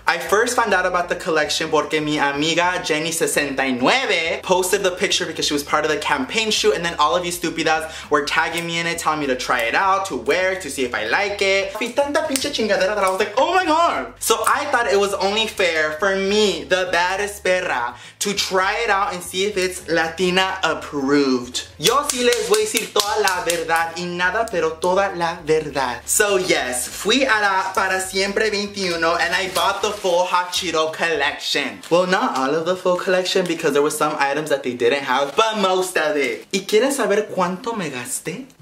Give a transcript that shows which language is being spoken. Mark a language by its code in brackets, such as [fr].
[en] I first found out about the collection [es] porque mi amiga [en] Jenny69 posted the picture because she was part of the campaign shoot, and then all of you stupidas were tagging me in it, telling me to try it out, to wear, to see if I like it. [es] Tanta pinche chingadera [en] that I was like, oh my god. So I thought it was only fair for me, the baddest perra, to try it out and see if it's Latina approved. [es] Yo sí les voy a decir toda la verdad y nada pero toda la verdad. [en] So yes, [es] fui a la [en] Para Siempre 21 and I bought the full hot Cheeto collection. Well, not all of the full collection because there were some items that they didn't have, but most of it. [es] ¿Y quieren saber cuánto me gasté?